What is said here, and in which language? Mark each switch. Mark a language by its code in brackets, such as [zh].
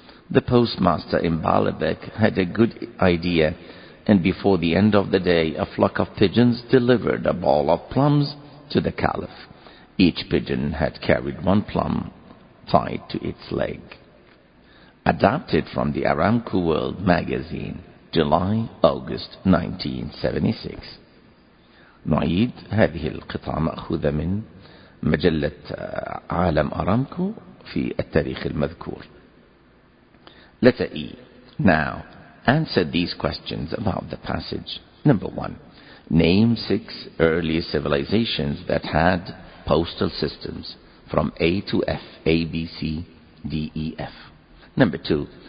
[en] The postmaster in Baalbek had a good idea, and before the end of the day, a flock of pigeons delivered a ball of plums to the caliph. Each pigeon had carried one plum tied to its leg. Adapted from the Aramco World magazine, July-August 1976. [ar] نعيد هذه القطعة مأخوذة من مجلة عالم أرامكو في التاريخ المذكور. [en] Letter E. Now, answer these questions about the passage. Number 1. Name 6 early civilizations that had postal systems from A to F, A, B, C, D, E, F. Number 2.